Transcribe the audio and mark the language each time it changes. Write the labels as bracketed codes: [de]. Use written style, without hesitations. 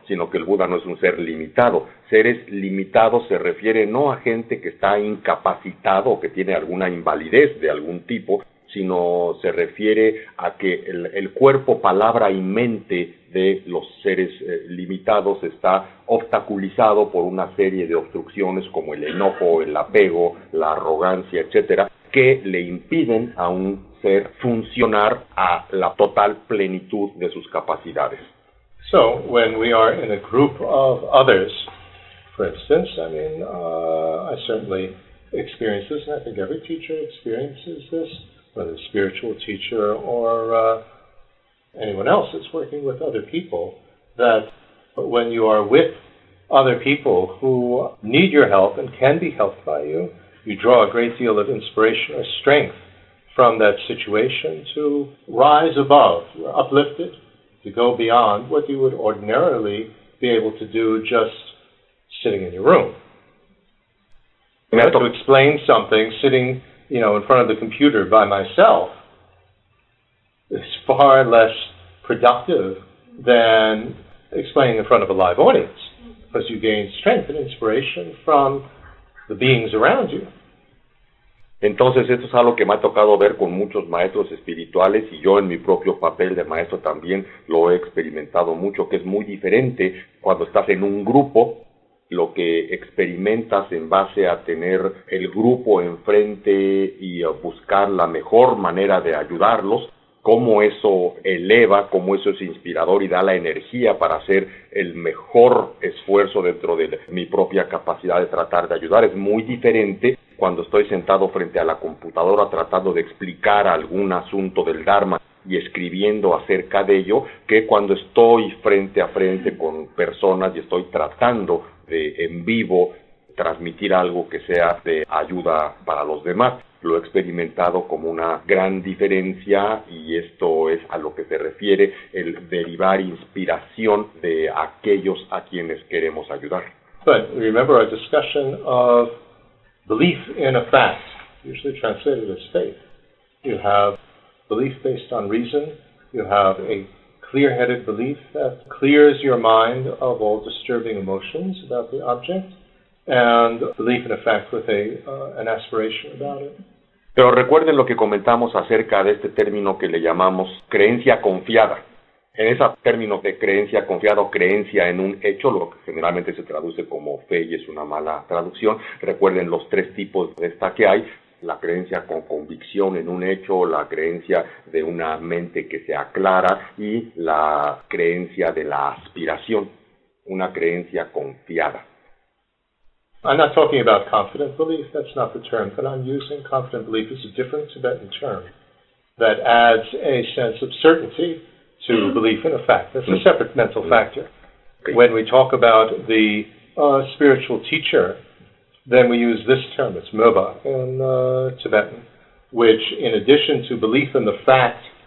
[es] Sino que el Buda no es un ser limitado. Seres limitados se refiere no a gente que está incapacitado o que tiene alguna invalidez de algún tipo, sino se refiere a que el cuerpo, palabra y mente de los seres limitados está obstaculizado por una serie de obstrucciones como el enojo, el apego, la arrogancia, etcétera, que le impiden a un ser funcionar a la total plenitud de sus capacidades. [en] So, when we are in a group of others, for instance, I certainly experience this, and I think every teacher experiences this, whether a spiritual teacher or anyone else that's working with other people, that when you are with other people who need your help and can be helped by you, you draw a great deal of inspiration or strength from that situation to rise above, you're uplifted, to go beyond what you would ordinarily be able to do just sitting in your room. to explain something sitting, you know, in front of the computer by myself is far less productive than explaining in front of a live audience, because you gain strength and inspiration from the beings around you. [es] Entonces, esto es algo que me ha tocado ver con muchos maestros espirituales, y yo en mi propio papel de maestro también lo he experimentado mucho, que es muy diferente cuando estás en un grupo, lo que experimentas en base a tener el grupo enfrente y a buscar la mejor manera de ayudarlos, cómo eso eleva, cómo eso es inspirador y da la energía para hacer el mejor esfuerzo dentro de mi propia capacidad de tratar de ayudar. Es muy diferente cuando estoy sentado frente a la computadora tratando de explicar algún asunto del Dharma y escribiendo acerca de ello, que cuando estoy frente a frente con personas y estoy tratando de, en vivo, transmitir algo que sea de ayuda para los demás. Lo he experimentado como una gran diferencia, y esto es a lo que se refiere el derivar inspiración de aquellos a quienes queremos ayudar. [en] But remember our discussion of belief in a fact, usually translated as faith. You have belief based on reason. You have a clear-headed belief that clears your mind of all disturbing emotions about the object. And belief in a fact with an aspiration about it. [es] Pero recuerden lo que comentamos acerca de este término que le llamamos creencia confiada. En ese término de creencia confiada o creencia en un hecho, lo que generalmente se traduce como fe y es una mala traducción, recuerden los tres tipos de esta que hay: la creencia con convicción en un hecho, la creencia de una mente que se aclara y la creencia de la aspiración, una creencia confiada. [en] I'm not talking about confident belief, that's not the term that I'm using. Confident belief is a different Tibetan term that adds a sense of certainty to belief in a fact. That's a separate mental factor. When we talk about the spiritual teacher, then we use this term, it's mirba in Tibetan, which in addition to belief in the fact